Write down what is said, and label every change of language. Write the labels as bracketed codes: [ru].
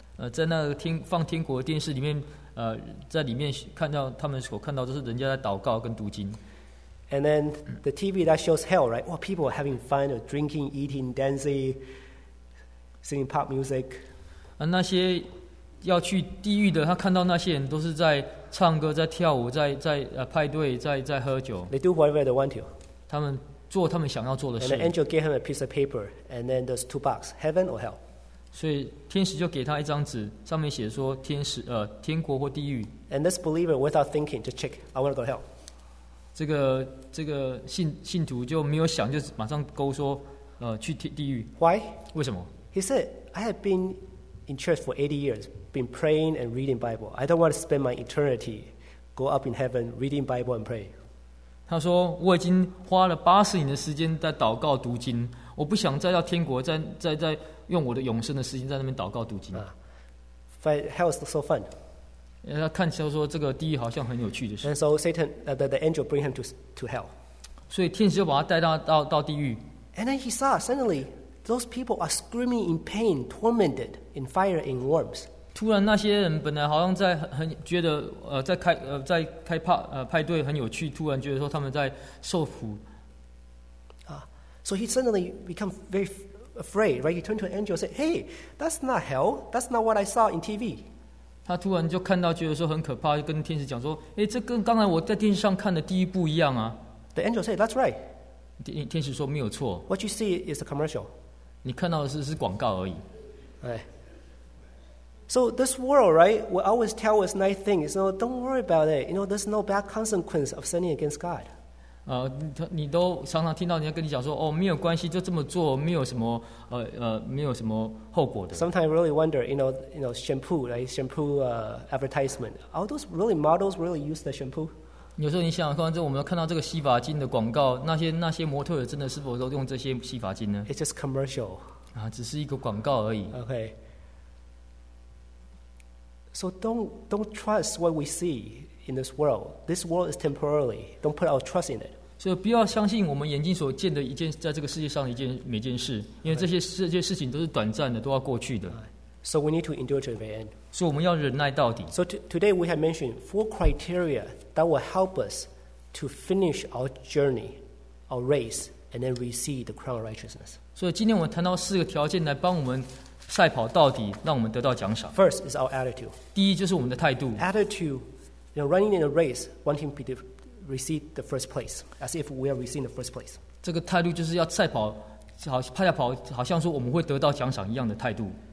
[zh] 在那个放天国电视里面，在里面看到他们所看到都是人家在祷告跟读经。 [en] And then the TV that shows hell, right? Well, people are having fun, drinking, eating, dancing, singing pop music. [zh] 那些要去地狱的，他看到那些人都是在唱歌、在跳舞、在派对、在喝酒。 [en] They do whatever they want to. [zh] 他们做他们想要做的事。 [en] And the angel gave him a piece of paper, and then there's two boxes: heaven or hell. [zh] 所以天使就给他一张纸，上面写说天国或地狱。 [en] And this believer, without thinking, just check. I want to go to hell. [zh] 这个信徒就没有想，就马上勾说，去地狱。 [en] Why? [zh] 为什么 [en] ？He said, "I have been in church for 80 years, been praying and reading Bible. I don't want to spend my eternity go up in heaven reading Bible and pray." [zh] 他说，我已经花了八十年的时间在祷告读经。我不想再到天国，再用我的永生的时间在那边祷告读经。 [en] Hell is so fun. [zh] 他看起来说这个地狱好像很有趣的事。 [en] And so Satan, the angel bring him to hell. [zh] 所以天使就把他带到地狱。 [en] And then he saw suddenly those people are screaming in pain, tormented in fire and worms. [zh] 突然那些人本来好像在很觉得在开派对很有趣，突然觉得说他们在受苦。 [en] So he suddenly became very afraid, right? He turned to an angel and said, "Hey, that's not hell. That's not what I saw in TV." [zh] 他突然就看到，觉得说很可怕，就跟天使讲说，欸，这跟刚才我在电视上看的第一部一样啊。 [en] The angel said, "That's right." [zh] 天使说没有错。 [en] What you see is a commercial. [zh] 你看到的是广告而已。 [en] So this world, right, will always tell us nice things. You know, don't worry about it. You know, there's no bad consequence of sinning against God. [zh] 你都常常听到人家跟你讲说，哦，没有关系，就这么做，没有什么，没有什么后果的。 [en] Sometimes I really wonder, you know, shampoo, right? Shampoo advertisement. Are those really models really use the shampoo? [zh] 有时候你想，刚才我们看到这个洗发精的广告，那些模特真的是否都用这些洗发精呢 [en] ？It's just commercial. [zh] 只是一个广告而已。 [en] Okay. So don't trust what we see. In this world, this world is temporarily. Don't put our trust in it. [zh] So, 不要相信我们眼睛所见的一件，在这个世界上的一件每件事，因为这些事情都是短暂的，都要过去的。 [en] So we need to endure to the end. [zh] 所以我们要忍耐到底。 [en] So today we have mentioned four criteria that will help us to finish our journey, our race, and then receive the crown of righteousness. [zh] 所以今天我们谈到四个条件来帮我们赛跑到底，让我们得到奖赏。 [en] First is our attitude. [zh] 第一就是我们的态度。 [en] Attitude. You know, running in a race, wanting to receive the first place, as if we are receiving the first place. [zh] 这个态度就是要赛跑，好赛跑，好像说我们会得到奖赏一样的态度。